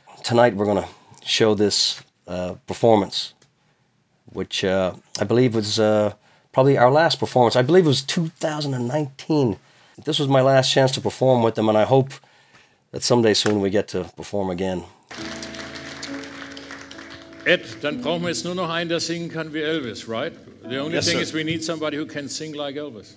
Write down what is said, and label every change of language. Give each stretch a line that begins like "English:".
English: Tonight we're going to show this performance, which I believe was probably our last performance. I believe it was 2019. This was my last chance to perform with them, and I hope that someday soon we get to perform again.
German: Ed, dann brauchen wir jetzt nur noch einen, der singen kann wie Elvis,
English: right? The only thing, sir, is we need somebody who can sing like Elvis.